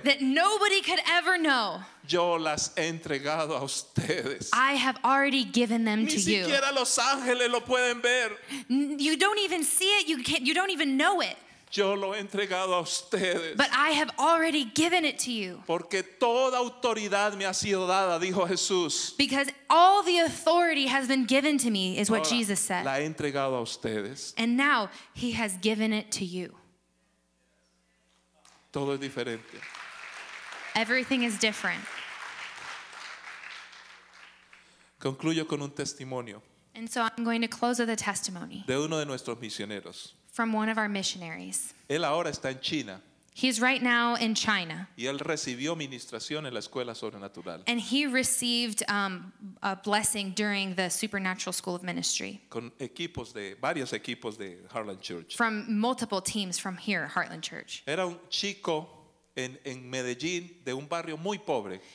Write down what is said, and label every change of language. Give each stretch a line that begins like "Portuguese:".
English: That nobody could ever know.
Spanish: Yo las he entregado a ustedes.
English: I have already given them to you.
Spanish: Ni siquiera los ángeles lo pueden ver.
English: You don't even see it. You can't. You don't even know it.
Spanish: Yo lo he entregado a ustedes.
English: But I have already given it to you.
Spanish: Porque toda autoridad me ha sido dada, dijo Jesús.
English: Because all the authority has been given to me, is
Spanish: Ahora,
English: what Jesus said.
Spanish: La he entregado a ustedes.
English: And now He has given it to you.
Spanish: Todo es diferente.
English: Everything is different.
Spanish: Concluyo con un testimonio.
English: And so I'm going to close with a testimony.
Spanish: De uno de nuestros misioneros.
English: From one of our missionaries.
Spanish: Él ahora está en China.
English: He's right now in China.
Spanish: Y él recibió ministración en la escuela sobrenatural.
English: And he received a blessing during the Supernatural School of Ministry.
Spanish: Con equipos de varios equipos de Heartland Church.
English: From multiple teams from here, Heartland Church.
Spanish: Era un chico en Medellín de un barrio muy pobre.